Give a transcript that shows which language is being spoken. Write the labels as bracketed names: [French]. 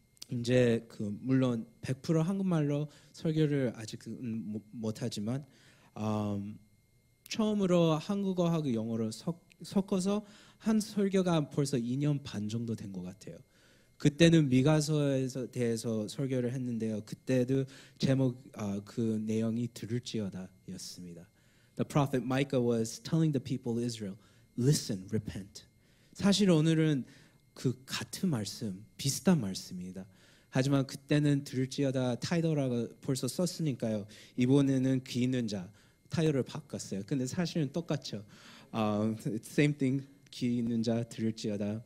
[Korean] 이제 그 물론 100% 한국말로 설교를 아직 못하지만 처음으로 한국어하고 영어를 섞어서 한 설교가 벌써 2년 반 정도 된 것 같아요. 그때는 미가서에 대해서 설교를 했는데요. 그때도 제목 그 내용이 들을지어다 였습니다. [English] The prophet Micah was telling the people of Israel, listen, repent. [Korean] 사실 오늘은 그 같은 말씀, 비슷한 말씀입니다. 하지만 그때는 들을지어다 타이틀을 벌써 썼으니까요. 이번에는 귀 있는 자 타이틀을 바꿨어요. 근데 사실은 똑같죠. [English] Same thing. [Korean] 귀 있는 자 들을지어다.